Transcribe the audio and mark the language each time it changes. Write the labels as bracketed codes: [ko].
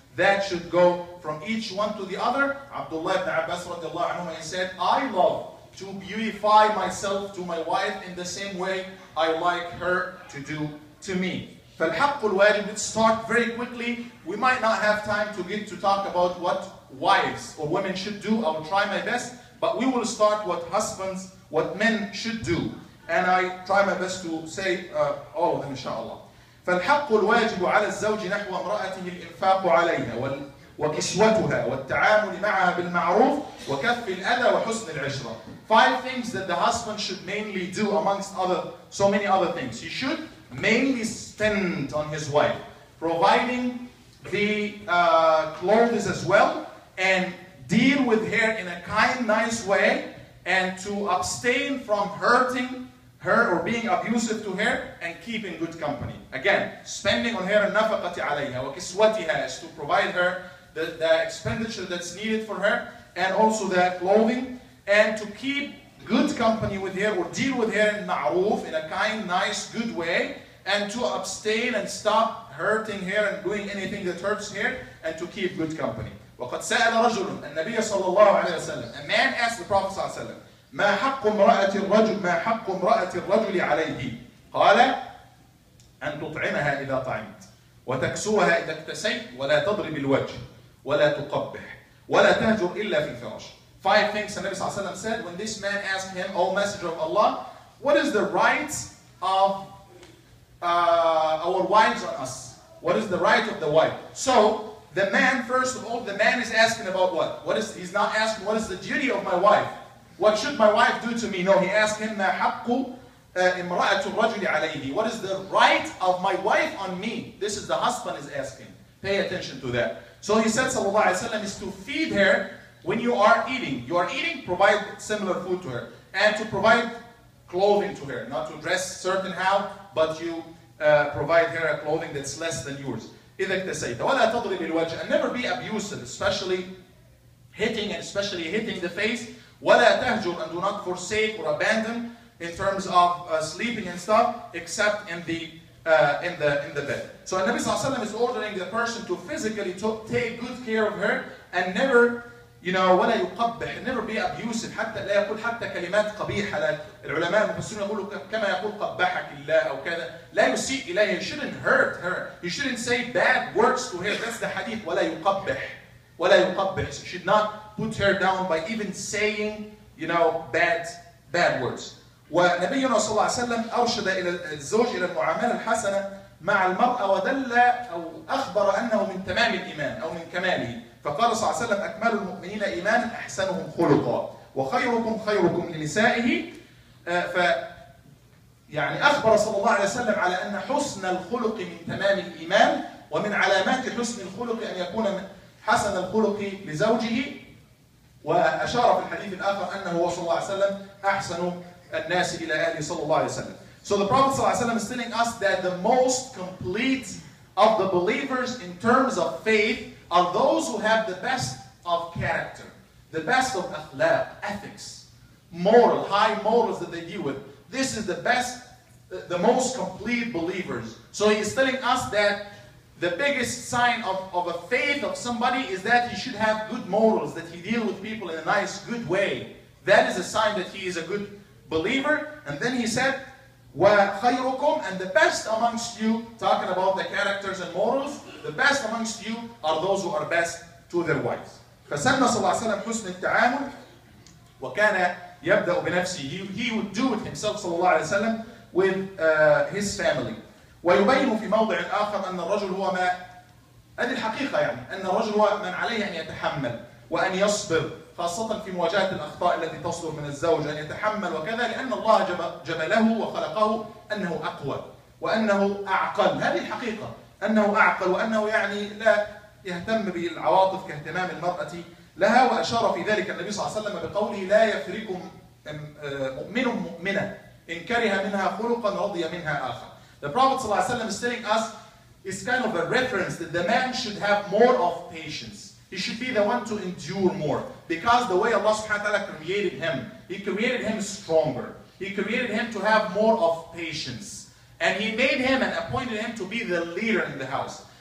[en] That should go from each one to the other. Abdullah ibn Abbas radiallahu anhu, he said, I love to beautify myself to my wife in the same way I like her to do to me. [ar] فالحق الواجب, [en] let's start very quickly. We might not have time to get to talk about what wives or women should do. I will try my best, but we will start what husbands, what men should do. And I try my best to say all of them, inshallah. [ar] فالحق الواجب على الزوج نحو امرأته الإنفاق عليها وكسوتها والتعامل معها بالمعروف وكف الأذى وحسن العشرة. [en] Five things that the husband should mainly do amongst other, so many other things. He should mainly spend on his wife, providing the clothes as well, and deal with her in a kind, nice way, and to abstain from hurting her or being abusive to her and keeping good company. Again, spending on her nafaqati alayha wa kiswatiha is to provide her the expenditure that's needed for her and also the clothing and to keep good company with her or deal with her in ma'roof in a kind, nice, good way and to abstain and stop hurting her and doing anything that hurts her and to keep good company. [ar] وَقَدْ سَأَلَ رَجُلٌ النَّبِيَ صَلَّى اللَّهُ عَلَيْهِ وَسَلَّمَ. [en] A man asked the Prophet [ar] صلى الله عليه وسلم, ما حق امرأة الرجل, ما حق امرأة الرجل عليه؟ قال أن تطعمها إذا طعمت وتكسوها إذا اكتسيت ولا تضرب الوجه ولا تقبح ولا تهجر إلا في الفراش. [en] Five things the Prophet صلى الله عليه وسلم said when this man asked him, O Messenger of Allah, what is the right of our wives on us? What is the right of the wife? So the man, first of all, the man is asking about what? He's not asking what is the duty of my wife? What should my wife do to me? No, he asked him, [ar] مَا حَقُّ إِمْرَأَةُ الرَّجُلِ عَلَيْهِ. [en] What is the right of my wife on me? This is the husband is asking. Pay attention to that. So he said, صلى الله عليه وسلم, is to feed her when you are eating. You are eating, provide similar food to her. And to provide clothing to her. Not to dress certain how, but you provide her a clothing that's less than yours. [ar] إِذَا اكْتَسَيْتَ وَلَا تَضْرِبِ الْوَجْهِ. [en] And never be abusive, especially hitting the face. [ar] وَلَا تَهْجُرْ, [en] and do not forsake or abandon in terms of sleeping and stuff, except in the bed. So the Prophet ﷺ is ordering the person to physically take good care of her and never, You know, [ar] ولا يقبح. [en] Never be abusive. [ar] حتى لا يقول حتى كلمات قبيحة. العلماء المفسرون يقولوا كما يقول قبحك الله أو كذا. لا يسيء إليه. [en] You shouldn't hurt her. You shouldn't say bad words to her. That's the hadith. [ar] ولا يقبح. ولا يقبح. [en] So you should not put her down by even saying, you know, bad words. [ar] ونبينا صلى الله عليه وسلم أرشد إلى الزوج إلى المعاملة الحسنة مع المرأة ودل أو أخبر أنه من تمام الإيمان أو من كماله. فقال صلى الله عليه وسلم أكمل المؤمنين إيمانا أحسنهم خلقا وخيركم خيركم لنسائه. ف يعني أخبر صلى الله عليه وسلم على أن حسن الخلق من تمام الإيمان ومن علامات حسن الخلق أن يكون حسن الخلق لزوجه. وأشار في الحديث الآخر أنه هو صلى الله عليه وسلم أحسن الناس إلى أهله صلى الله عليه وسلم. [en] So the Prophet صلى الله عليه وسلم is telling us that the most complete of the believers in terms of faith are those who have the best of character, the best of akhlaq, ethics, moral, high morals that they deal with. This is the best, the most complete believers. So he is telling us that the biggest sign of a faith of somebody is that he should have good morals, that he deal with people in a nice, good way. That is a sign that he is a good believer. And then he said, [ar] وَخَيْرُكُمْ, [en] and the best amongst you, talking about the characters and morals, the best amongst you are those who are best to their wives. [ar] فسنى صلى الله عليه وسلم حسن التعامل وكان يبدأ بنفسه. [en] He would do it himself صلى الله عليه وسلم with his family. [ar] ويبين في موضع آخر أن الرجل هو ما هذه الحقيقة يعني أن الرجل هو من عليه أن يتحمل وأن يصبر خاصة في مواجهة الأخطاء التي تصدر من الزوج أن يتحمل وكذا لأن الله جبله وخلقه أنه أقوى وأنه أعقل. هذه الحقيقة أنه أعقل وأنه يعني لا يهتم بالعواطف كاهتمام المرأة لها. وأشار في ذلك النبي صلى الله عليه وسلم بقوله لا يفرق مؤمن مؤمنة إن كره منها خلقا رضي منها آخر. [en] The Prophet صلى الله عليه وسلم is telling us it's kind of a reference that the man should have more of patience. He should be the one to endure more because the way Allah subhanahu wa ta'ala created him, he created him stronger. He created him to have more of patience. And he made him and appointed him to be the leader in the house.